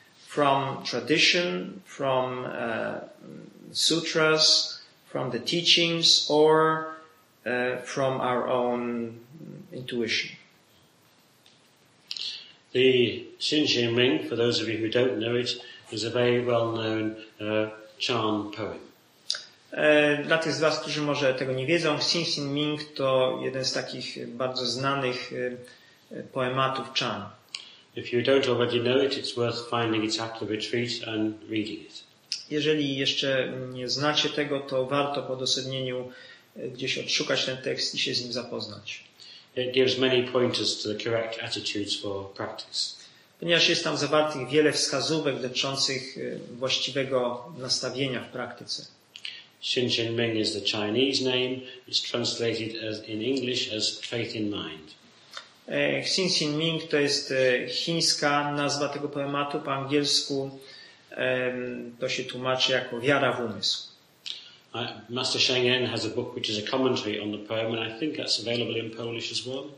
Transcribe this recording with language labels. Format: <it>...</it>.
<en>From tradition, from sutras, from the teachings, or from our own intuition? The Xin Xin Ming, for those of you who don't know it, is a very well-known Chan poem.</en> <pl>Dla tych z Was, którzy może tego nie wiedzą, Xin Xin Ming to jeden z takich bardzo znanych poematów Chan.</pl> <en>If you don't already know it, it's worth finding it after the retreat and reading it.</en> <pl>Jeżeli jeszcze nie znacie tego, to warto po dosadnieniu gdzieś odszukać ten tekst i się z nim zapoznać.</pl> <en>It gives many pointers to the correct attitudes for practice.</en> <pl>Ponieważ jest tam zawartych wiele wskazówek dotyczących właściwego nastawienia w praktyce.</pl> <en>Xin Xin Ming is the Chinese name. It's translated as in English as faith in mind.</en> <pl>Xin Xin Ming to jest chińska nazwa tego poematu. Po angielsku to się tłumaczy jako wiara w umysł.</pl> <en>Master Sheng Yen has a book which is a commentary on the poem, and I think that's available in Polish as well.</en>